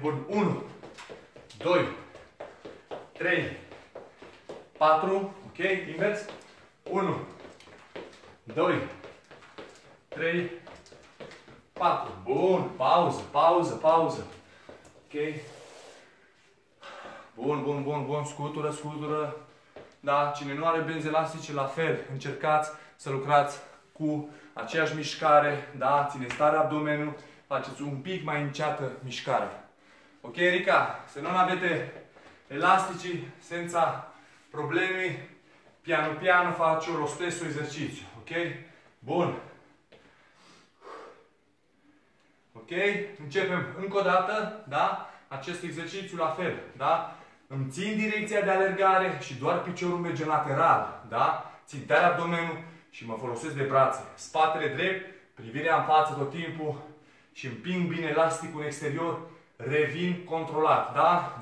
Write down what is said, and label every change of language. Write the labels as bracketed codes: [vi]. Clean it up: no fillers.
[ro] Bun, 1, 2, 3, 4, ok, invers, 1, 2, 3, 4, bun, pauză, pauză, pauză, ok, bun, bun, bun, bun, scutură, scutură, da, cine nu are benzi elastice, la fel, încercați să lucrați cu aceeași mișcare, da, țineți tare abdomenul, faceți un pic mai înceată mișcarea. Ok, [it] Erika, se non avete elasticii, senza problemi, piano piano faccio lo stesso esercizio, ok? [ro] Bun. Ok, începem încă o dată, da, acest exercițiu la fel, da? Îmi țin direcția de alergare și doar piciorul merge lateral, da? Țin tare abdomenul și mă folosesc de brațe. Spatele drept, privirea în față tot timpul și împing bine elasticul în exterior, revin controlat, da?